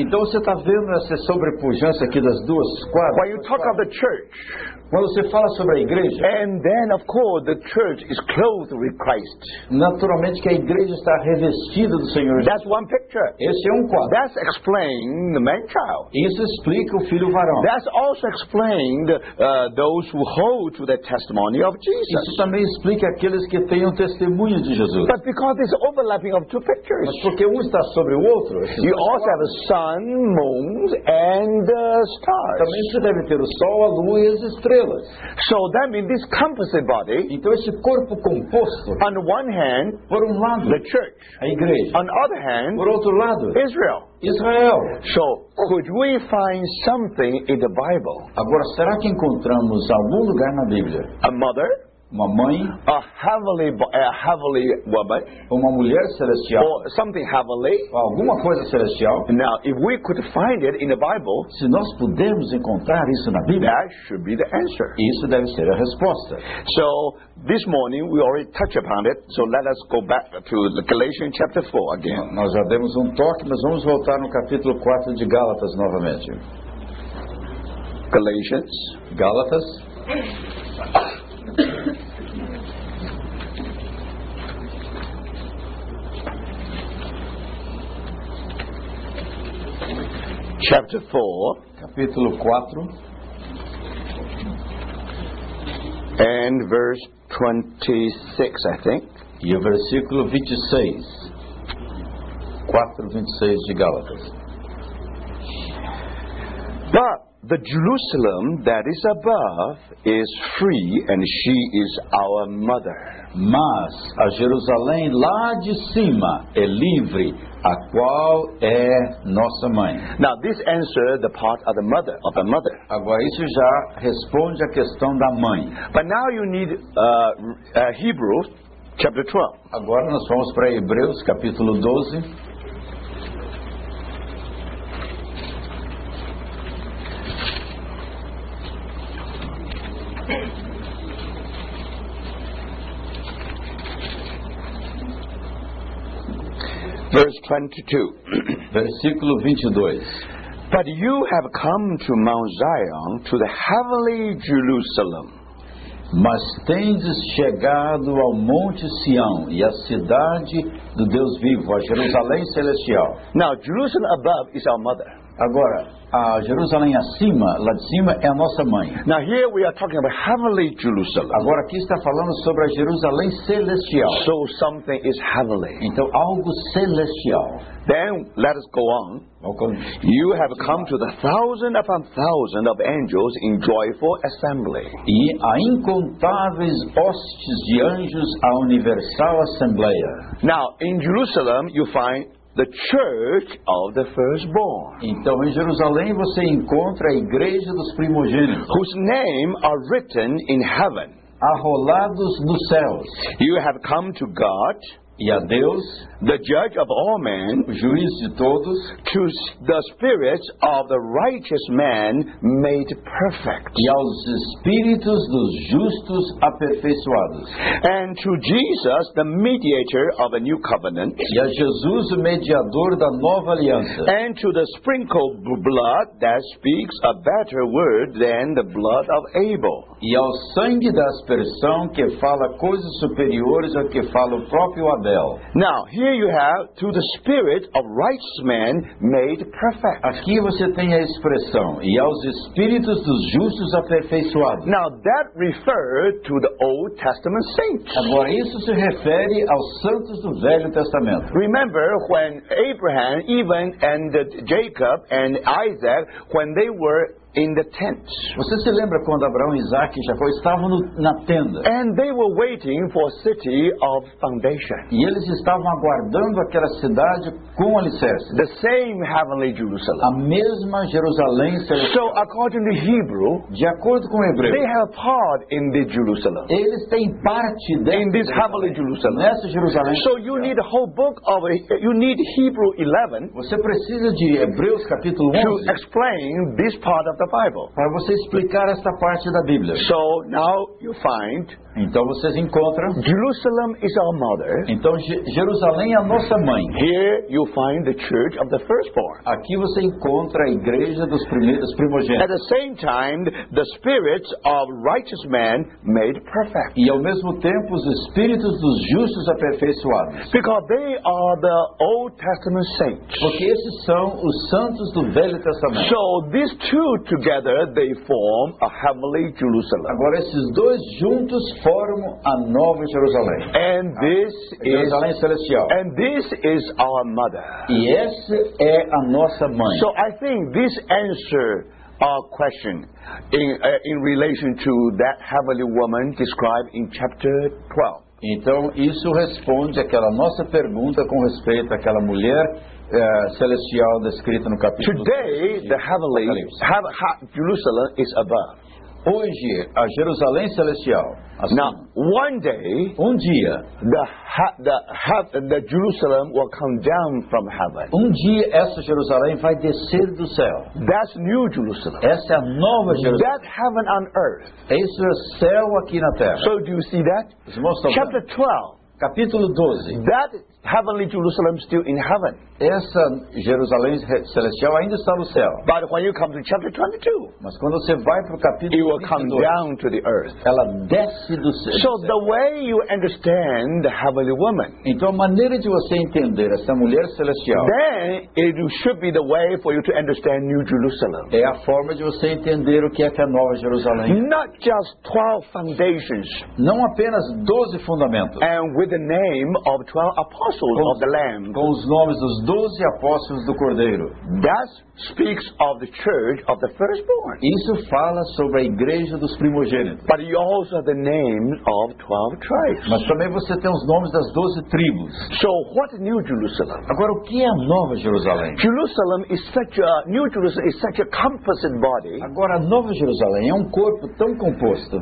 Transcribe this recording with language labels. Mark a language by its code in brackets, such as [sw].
[pt] Então você está vendo essa sobrepujança aqui das duas quadras? [en] When you talk of the church. [pt] Quando você fala sobre a igreja, [en] and then of course the church is clothed with Christ. [pt] Naturalmente que a igreja está revestida do Senhor. [en] That's one picture. [pt] Esse é um quadro. [en] That's explain the man child. [pt] Isso explica o filho varão. [en] That's also explained those who hold to the testimony of Jesus. [pt] Isso também explica aqueles que têm o testemunho de Jesus. [en] But because this overlapping of two pictures. [pt] Mas porque um está sobre o outro. [en] You also have a sun, moon, and stars. [pt] Também você deve ter o sol, a lua e as estrelas. [en] So that means this composite body. [pt] Então esse corpo composto. [en] On one hand, [pt] por um lado, [en] the church, [pt] a igreja. [en] On other hand, [pt] por outro lado, [en] Israel. [pt] Israel. [en] So could we find something in the Bible? [pt] Agora será que encontramos algum lugar na Bíblia? [en] A mother. [pt] Uma mãe, [en] a heavenly woman, [pt] uma mulher celestial, [en] or something heavenly, [pt] ou alguma coisa celestial. [en] Now, if we could find it in the Bible, [pt] se nós pudermos encontrar isso na Bíblia, [en] that should be the answer. [pt] Isso deve ser a resposta. [en] So, this morning we already touched upon it. So let us go back to the Galatians chapter 4 again. [pt] Nós já demos toque, mas vamos voltar no capítulo 4 de Gálatas novamente. [en] Galatians, [pt] Gálatas. [en] Chapter 4, [pt] capítulo 4, [en] and verse 26, I think. [pt] E o versículo 26. 4:26 de Gálatas. [en] But the Jerusalem that is above is free, and she is our mother. [pt] Mas a Jerusalém lá de cima é livre, a qual é nossa mãe. [en] Now this answers the part of the mother. Of the mother. [pt] Agora isso já responde a questão da mãe. [en] But now you need Hebrews chapter 12. [pt] Agora nós vamos para Hebreus capítulo 12. [en] Verse 22. [pt] Versículo 22. [en] But you have come to Mount Zion, to the heavenly Jerusalem. [pt] Mas tendes chegado ao Monte Sião e à cidade do Deus vivo, a Jerusalém celestial. [en] Now, Jerusalem above is our mother. [pt] Agora, a Jerusalém acima, lá de cima, é a nossa mãe. [en] Now here we are talking about heavenly Jerusalem. [pt] Agora aqui está falando sobre a Jerusalém celestial. [en] So something is heavenly. [pt] Então algo celestial. [en] Then let us go on. Okay. You have come to the thousand upon thousand of angels in joyful assembly. [pt] E a incontáveis hostes de anjos à universal assembleia. [en] Now in Jerusalem you find the church of the firstborn. [pt] Então em Jerusalém você encontra a igreja dos primogênitos, [en] whose name are written in heaven. [pt] Arrolados nos céus. [en] You have come to God. [pt] E a Deus, [en] the judge of all men, [pt] o juiz de todos, [en] to the spirits of the righteous man made perfect. [pt] E aos espíritos dos justos aperfeiçoados. [en] And to Jesus, the mediator of a new covenant. [pt] E a Jesus, o mediador da nova aliança. [en] And to the sprinkled blood that speaks a better word than the blood of Abel. [pt] E ao sangue da aspersão que fala coisas superiores ao que fala o próprio Abel. [en] Now here you have to the spirit of righteous man made perfect. [pt] Aqui você tem a expressão e aos espíritos dos justos aperfeiçoados. [en] Now that referred to the Old Testament saints. [pt] Agora isso se refere aos santos do Velho Testamento. [en] Remember when Abraham, even and Jacob and Isaac, when they were in the tent. [pt] Você se lembra quando Abraão, Isaac e Jacó estavam na tenda? [en] And they were waiting for a city of foundation. [pt] E eles estavam aguardando aquela cidade com alicerce. [en] The same heavenly Jerusalem. [pt] A mesma Jerusalém celestial. [en] So according to Hebrew, [pt] de acordo com o hebreu, [en] they have part in the Jerusalem. [pt] Eles têm parte dessa [en] in this heavenly Jerusalem. [pt] Nessa Jerusalém. [en] So you need a whole book of you need Hebrew 11. [pt] Você precisa de Hebreus capítulo 11. [en] To explain this part of the Bible. [pt] Para você explicar esta parte da Bíblia. [en] So now you find. [pt] Então vocês encontram. [en] Jerusalem is our mother. [pt] Então Jerusalém é a nossa mãe. [en] Here you find the church of the firstborn. [pt] Aqui você encontra a igreja dos primeiros primogênitos. [en] At the same time, the spirits of righteous men made perfect. [pt] E ao mesmo tempo os espíritos dos justos aperfeiçoados. [en] Because they are the Old Testament saints. [pt] Porque esses são os santos do Velho Testamento. [en] So these two together they form a heavenly Jerusalem. [pt] Agora esses dois juntos formo a nova Jerusalém. [en] And this [pt] Jerusalém [en] is [pt] celestial. [en] And this is our mother. [pt] E essa é a nossa mãe. [en] So I think this answer our question in relation to that heavenly woman described in chapter 12. [pt] Então isso responde aquela nossa pergunta com respeito àquela mulher celestial descrita no capítulo. [en] Today the heavenly Jerusalem is above. [pt] Hoje a Jerusalém celestial. Assim, [en] now, one day, [pt] um dia, [en] the Jerusalem will come down from heaven. [pt] Um dia essa Jerusalém vai descer do céu. [en] That's new Jerusalem. [pt] Essa é a nova Jerusalém. [en] That heaven on earth. [pt] Esse é o céu aqui na Terra. [en] So do you see that? Chapter 12. [pt] Capítulo 12. [en] That heavenly Jerusalem still in heaven. [pt] Essa Jerusalém celestial ainda está no céu. [en] But when you come to chapter 22, [pt] mas quando você vai pro capítulo, [en] it will come down to the earth. [pt] Ela desce do céu. [en] So the way you understand the heavenly woman. [pt] Então a maneira de você entender essa mulher celestial. [en] Then it should be the way for you to understand new Jerusalem. [pt] É a forma de você entender o que é a nova Jerusalém. [en] Not just 12 foundations. [pt] Não apenas 12 fundamentos. [en] And with the name of 12 apostles of the Lamb. [pt] Com os nomes dos 12 apóstolos do Cordeiro. [en] That speaks of the church of the firstborn. [pt] Isso fala sobre a igreja dos primogênitos. [en] But you also have the names of 12 tribes. [pt] Mas também você tem os nomes das 12 tribos. [en] So what is new Jerusalem? [pt] Agora o que é a nova Jerusalém? [en] Jerusalem is such a new Jerusalem is such a composite body. [pt] Agora a nova Jerusalém é um corpo tão composto.